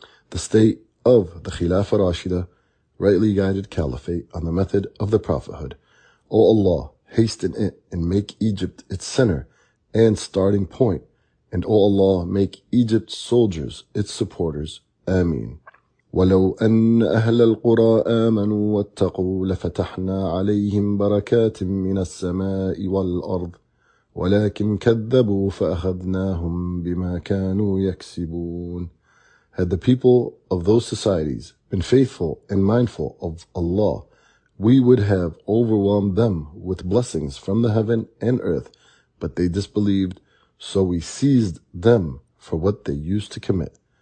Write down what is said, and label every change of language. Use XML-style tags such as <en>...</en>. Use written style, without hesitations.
<en>The state of the Khilafah Rashida, rightly guided caliphate on the method of the prophethood. O Allah, hasten it and make Egypt its center and starting point. And O Allah, make Egypt's soldiers its supporters. Ameen.</en> <ar>ولو أن أهل القرى آمنوا واتقوا لفتحنا عليهم بركات من السماء والأرض ولكن كذبوا فأخذناهم بما كانوا يكسبون.</ar> <en>Had the people of those societies been faithful and mindful of Allah, we would have overwhelmed them with blessings from the heaven and earth, but they disbelieved, so we seized them for what they used to commit.</en>